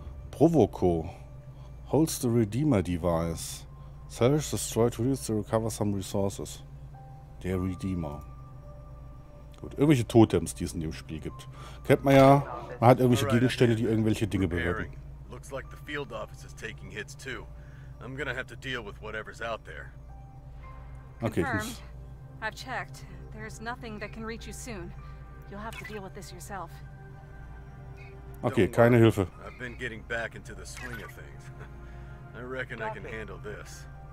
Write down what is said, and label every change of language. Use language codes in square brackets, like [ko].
[en] Provoco, holds the Redeemer Device. Salvage, destroy, to use to recover some resources. [de] Der Redeemer. Gut, irgendwelche Totems, die es in dem Spiel gibt. Kennt man ja, man hat irgendwelche Gegenstände, die irgendwelche Dinge bewirken. [en] Looks like the field office is taking hits too. I'm gonna have to deal with whatever's out there. Okay, confirmed. I've checked. There's nothing that can reach you soon. You'll have to deal with this yourself. [de] Okay, keine Hilfe. [en] I've been getting back into the swing of things. I reckon I can handle this.